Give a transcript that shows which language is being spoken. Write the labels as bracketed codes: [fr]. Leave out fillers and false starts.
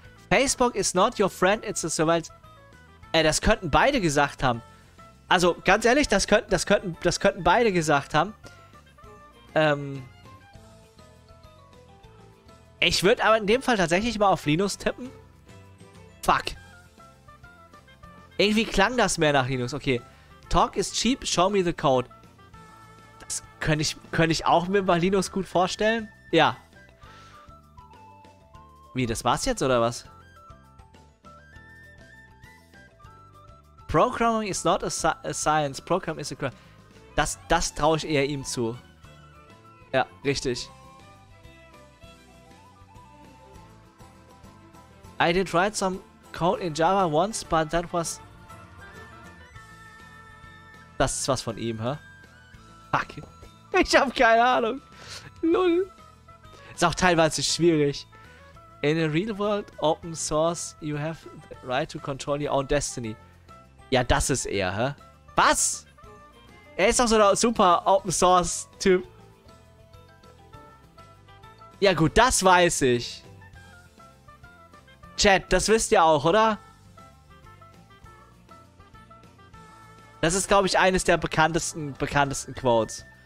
[en] Facebook is not your friend, it's a surveillance. [de] Das könnten beide gesagt haben. Also, ganz ehrlich, das könnten beide gesagt haben. Ich würde aber in dem Fall tatsächlich mal auf Linux tippen. Fuck. Irgendwie klang das mehr nach Linux. Okay. [en] Talk is cheap, show me the code. [de] Das könnte ich auch mir bei Linux gut vorstellen. Ja. Wie, das war's jetzt oder was? [en] Programming is not a science. Program is a craft. [de] Das traue ich eher ihm zu. Ja, richtig. [en] I did write some code in Java once, but that was... [de] Das ist was von ihm, hä? Fuck. Ich hab keine Ahnung. Null. Ist auch teilweise schwierig. [en] In a real world, open source, you have the right to control your own destiny. [de] Ja, das ist er, hä? Was? Er ist doch so ein super Open-Source-Typ. Ja gut, das weiß ich. Chat, das wisst ihr auch, oder? Das ist, glaube ich, eines der bekanntesten Quotes.